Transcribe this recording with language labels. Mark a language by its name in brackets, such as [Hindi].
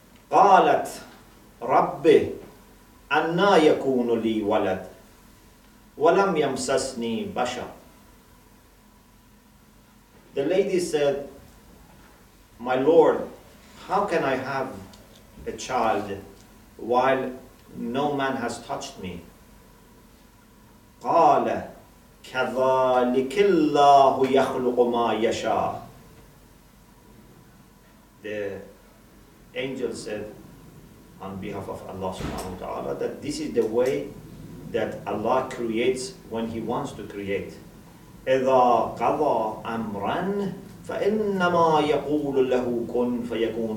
[Arabic] قالت ربي أنا يكون لي ولد ولم يمسسني بشر. [English] The lady said, my Lord, how can I have a child while no man has touched me? [Arabic] قال كذلك الله يخلق ما يشاء. [English] The angel said, on behalf of Allah subhanahu wa ta'ala, that this is the way that Allah creates when He wants to create. [Arabic] إِذَا قَضَى أَمْرًا فَإِنَّمَا يَقُولُ لَهُ كُنْ فَيَكُونُ.